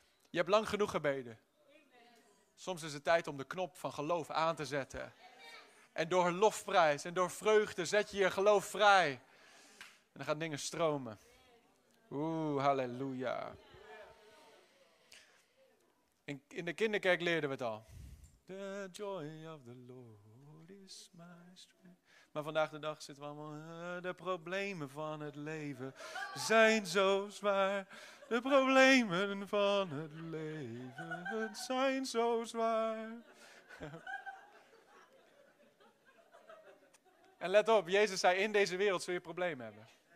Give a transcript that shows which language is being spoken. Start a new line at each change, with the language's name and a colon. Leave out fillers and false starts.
Dutch: Je hebt lang genoeg gebeden. Soms is het tijd om de knop van geloof aan te zetten. En door lofprijs en door vreugde zet je je geloof vrij. En dan gaan dingen stromen. Oeh, halleluja. In de kinderkerk leerden we het al.
English: The joy of the Lord is my strength.
Dutch: Maar vandaag de dag zitten we allemaal, de problemen van het leven zijn zo zwaar. De problemen van het leven zijn zo zwaar. En let op, Jezus zei, in deze wereld zul je problemen hebben.